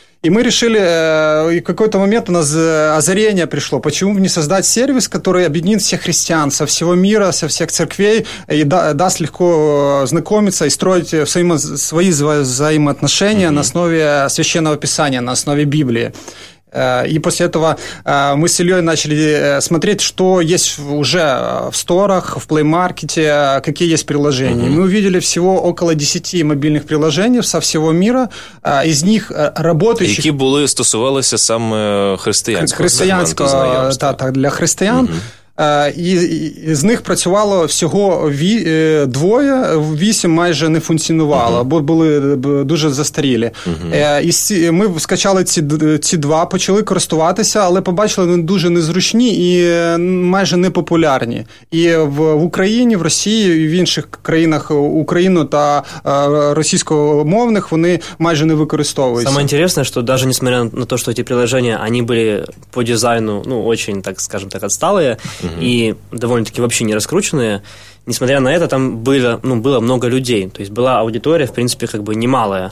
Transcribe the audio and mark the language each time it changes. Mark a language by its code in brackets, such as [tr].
[ru] И мы решили, и в какой-то момент у нас озарение пришло, почему бы не создать сервис, который объединит всех христиан со всего мира, со всех церквей, и даст легко знакомиться и строить свои взаимоотношения на основе Священного Писания, на основе Библии. И после этого мы с Ильей начали смотреть, что есть уже в сторах, в плеймаркете, какие есть приложения. Мы увидели всего около 10 мобильных приложений со всего мира, из них работающих... [uk] Які були стосувалися саме християнського знайомства. Так, для християн. І з них працювало всього двоє, вісім майже не функціонувало, бо були дуже застарілі. І ми скачали ці два, почали користуватися, але побачили, вони дуже незручні і майже непопулярні. І в Україні, в Росії, і в інших країнах Україну та російськомовних вони майже не використовуються. Саме інтересне, що навіть несмотря на те, що ці приложення, вони були по дизайну, ну, дуже, так скажемо так, відсталі, [ru] и довольно-таки вообще не раскрученные. Несмотря на это, там было, ну, было много людей. То есть была аудитория, в принципе, как бы немалая.